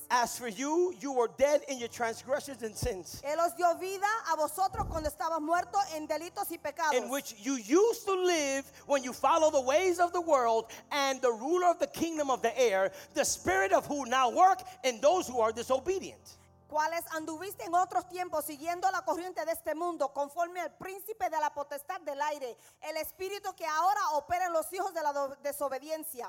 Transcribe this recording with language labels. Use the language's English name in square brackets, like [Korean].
[English] As for you, you were dead in your transgressions and sins. [Spanish] Él os dio vida a vosotros cuando estabas muerto en delitos y pecados. [English] In which you used to live when you followed the ways of the world and the ruler of the kingdom of the air, the spirit of who now work in those who are disobedient. [Spanish] Cuales anduviste en otros tiempos siguiendo la corriente de este mundo conforme al príncipe de la potestad del aire el espíritu que ahora opera en los hijos de la desobediencia.